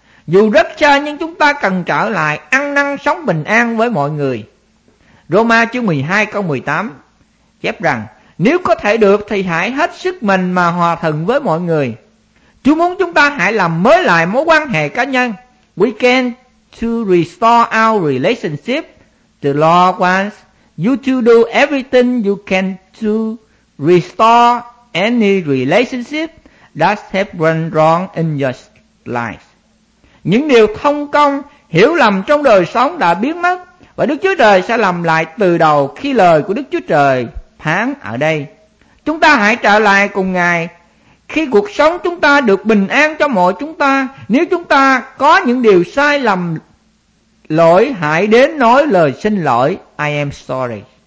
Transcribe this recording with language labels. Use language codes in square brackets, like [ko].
[vi] Dù rất xa nhưng chúng ta cần trở lại ăn năn sống bình an với mọi người. Roma chương 12 câu 18 chép rằng, nếu có thể được thì hãy hết sức mình mà hòa thuận với mọi người. Chúa muốn chúng ta hãy làm mới lại mối quan hệ cá nhân. [en] We can to restore our relationship. The Lord wants you to do everything you can to restore any relationship that has gone wrong in your life. [vi] Những điều không công, hiểu lầm trong đời sống đã biến mất, và Đức Chúa Trời sẽ làm lại từ đầu khi lời của Đức Chúa Trời phán ở đây. Chúng ta hãy trở lại cùng Ngài khi cuộc sống chúng ta được bình an cho mọi chúng ta. Nếu chúng ta có những điều sai lầm lỗi, hãy đến nói lời xin lỗi. [en] I am sorry.